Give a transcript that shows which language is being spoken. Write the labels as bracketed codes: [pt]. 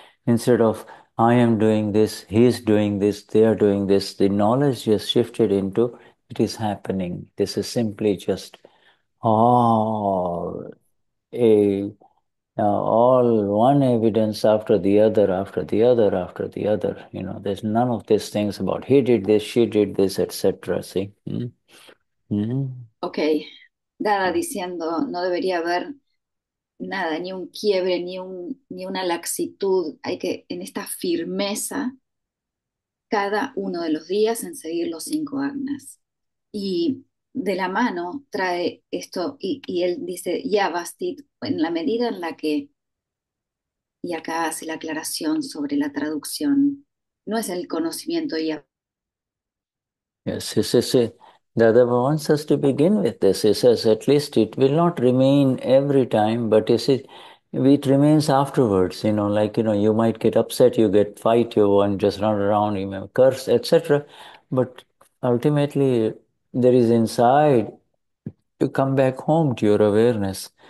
[en] Instead of I am doing this, he is doing this, they are doing this, the knowledge has shifted into it is happening. This is simply just all one evidence after the other, after the other, after the other. There's none of these things about he did this, she did this, etc. See? [es] Ok, Dada diciendo, no debería haber nada, ni un quiebre, ni una laxitud. Hay que, en esta firmeza, cada uno de los días en seguir los cinco agnas. Y de la mano trae esto, y él dice, Yavastit, en la medida en la que, y acá hace la aclaración sobre la traducción, no es el conocimiento Yavastit. [en] Yes. Dadava wants us to begin with this. He says at least it will not remain every time, but you see, it remains afterwards. You might get upset, you get fight, you want just run around, you may curse, etc. But ultimately, there is inside to come back home to your awareness.